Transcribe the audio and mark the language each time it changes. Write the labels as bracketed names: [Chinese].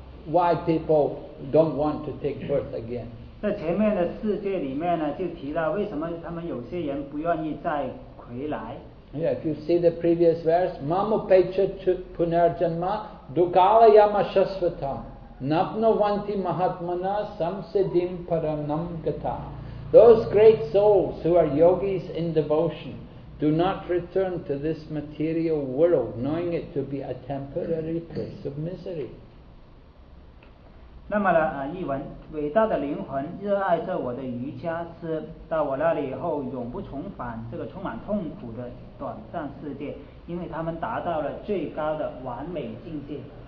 [English] Why people don't want to take birth again? [Chinese] 在前面的世界里面呢，就提到为什么他们有些人不愿意再回来。 [English] Yeah, if you see the previous verse, [Sanskrit] Mamu Pecha Punarjanma Dukalayama Shasvatam. Napnavanti Mahatmana Samsidim Paranam Gata. [English] Those great souls who are yogis in devotion do not return to this material world knowing it to be a temporary place of misery. [Chinese] 那么呢，译文，伟大的灵魂热爱着我的瑜伽师，到我那里以后永不重返这个充满痛苦的短暂世界，因为他们达到了最高的完美境界。